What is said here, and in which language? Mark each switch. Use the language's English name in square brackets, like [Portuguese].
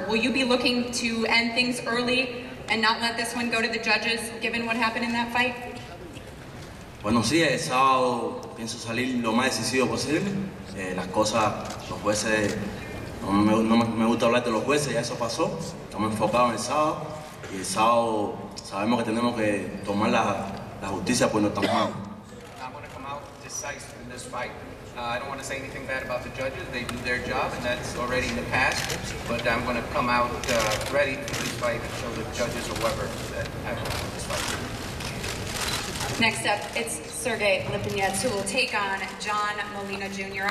[English] Will you be looking to end things early and not let this one go to the judges, given what happened in that fight? [Spanish] Bueno, sí, el sábado pienso salir lo más decidido posible. Las cosas, los jueces, no me gusta hablar de los jueces, ya eso pasó. Estamos enfocados en el sábado. Y el sábado sabemos que tenemos que tomar la justicia por nuestras manos. [English] I'm going to come out decisive in this fight. I don't want to say anything bad about the judges. They do their job, and that's already in the past. But I'm going to come out ready for this fight and show the judges or whoever that I want to this fight. Next up, it's Sergey Lipinets, who will take on John Molina Jr.